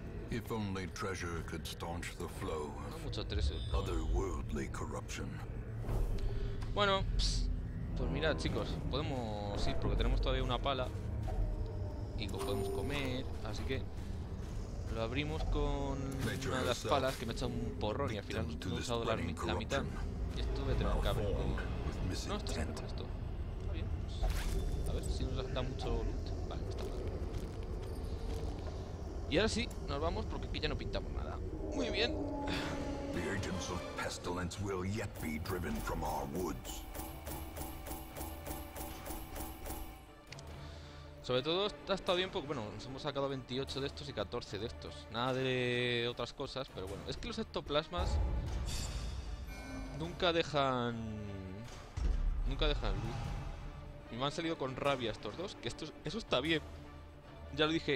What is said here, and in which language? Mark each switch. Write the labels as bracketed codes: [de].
[en] If only treasure could staunch the flow of otherworldly corruption. [es] Bueno, pues mirad, chicos, podemos ir porque tenemos todavía una pala y podemos comer, así que lo abrimos con una de las palas que me ha echado un porrón y al final no he usado la mitad. Y esto voy a tener que abrir con... No, esto es con esto. Está bien. A ver si nos da mucho loot. Vale, está mal. Y ahora sí, nos vamos porque aquí ya no pintamos nada. Muy bien. [en] The agents of pestilence will yet be driven from our woods. [es] Sobre todo ha estado bien porque, bueno, nos hemos sacado 28 de estos y 14 de estos. Nada de otras cosas, pero bueno. Es que los ectoplasmas nunca dejan... Nunca dejan luz. Y me han salido con rabia estos dos. Que esto, eso está bien. Ya lo dije.